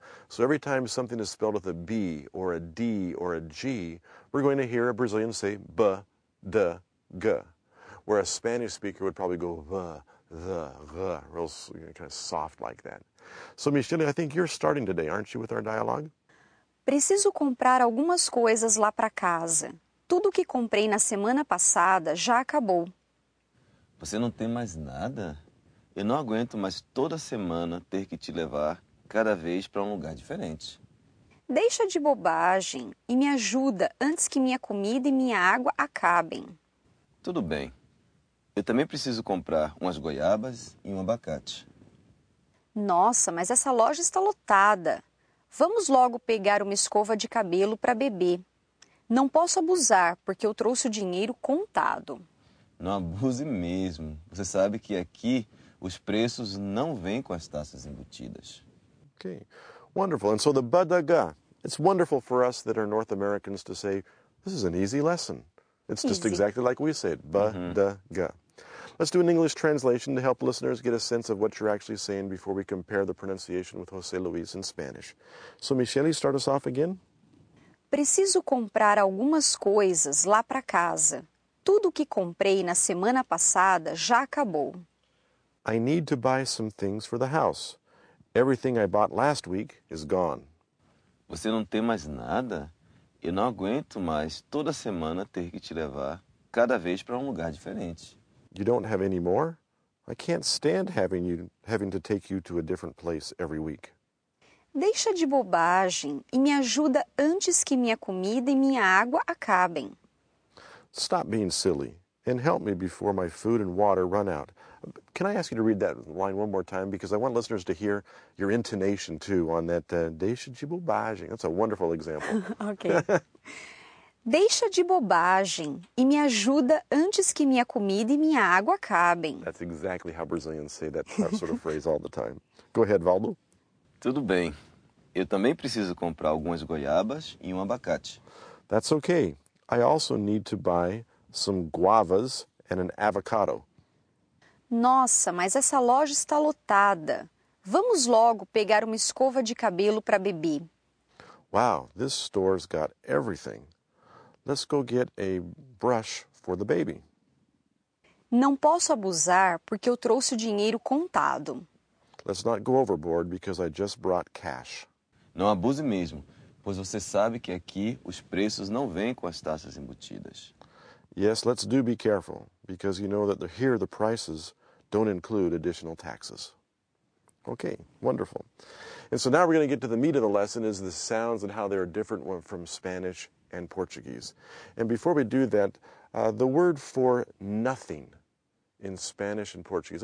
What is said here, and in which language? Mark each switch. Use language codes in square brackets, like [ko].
[en] So every time something is spelled with a b or a d or a g, we're going to hear a Brazilian say b, d, g, where a Spanish speaker would probably go v, the, v, real kind of soft like that. So, Michele, I think you're starting today, aren't you, with our dialogue? [pt] Preciso comprar algumas coisas lá para casa. Tudo que comprei na semana passada já acabou. Você não tem mais nada? Eu não aguento mais toda semana ter que te levar cada vez para um lugar diferente. Deixa de bobagem e me ajuda antes que minha comida e minha água acabem. Tudo bem. Eu também preciso comprar umas goiabas e um abacate. Nossa, mas essa loja está lotada. Vamos logo pegar uma escova de cabelo para beber. Não posso abusar, porque eu trouxe o dinheiro contado. Não abuse mesmo. Você sabe que aqui os preços não vêm com as taxas embutidas. [en] Okay. Wonderful. And so the badaga. It's wonderful for us that are North Americans to say, this is an easy lesson. It's easy. Just exactly like we said, badaga. Mm-hmm. Let's do an English translation to help listeners get a sense of what you're actually saying before we compare the pronunciation with José Luis in Spanish. So, Michele, start us off again. [pt] Preciso comprar algumas coisas lá para casa. Tudo que comprei na semana passada já acabou. [en] I need to buy some things for the house. Everything I bought last week is gone. [pt] Você não tem mais nada? Eu não aguento mais toda semana ter que te levar cada vez para um lugar diferente. [en] You don't have any more? I can't stand having to take you to a different place every week. [pt] Deixa de bobagem e me ajuda antes que minha comida e minha água acabem. [en] Stop being silly and help me before my food and water run out. Can I ask you to read that line one more time? Because I want listeners to hear your intonation, too, on that [pt] deixa de bobagem. [en] That's a wonderful example. Okay. [pt] Deixa de bobagem e me ajuda antes que minha comida e minha água acabem. [en] That's exactly how Brazilians say that sort of phrase all the time. Go ahead, Valdo. [pt] Tudo bem. Eu também preciso comprar algumas goiabas e um abacate. [en] That's okay. I also need to buy some guavas and an avocado. [pt] Nossa, mas essa loja está lotada. Vamos logo pegar uma escova de cabelo para beber. [en] Wow, this store's got everything. Let's go get a brush for the baby. [pt] Não posso abusar porque eu trouxe o dinheiro contado. [en] Let's not go overboard because I just brought cash. [pt] Não abuse mesmo. Pois você sabe que aqui os preços não vêm com as taxas embutidas. [en] Yes, let's do be careful, because you know that here the prices don't include additional taxes. Okay, wonderful. And so now we're going to get to the meat of the lesson, is the sounds and how they are different from Spanish and Portuguese. And before we do that, the word for nothing in Spanish and Portuguese.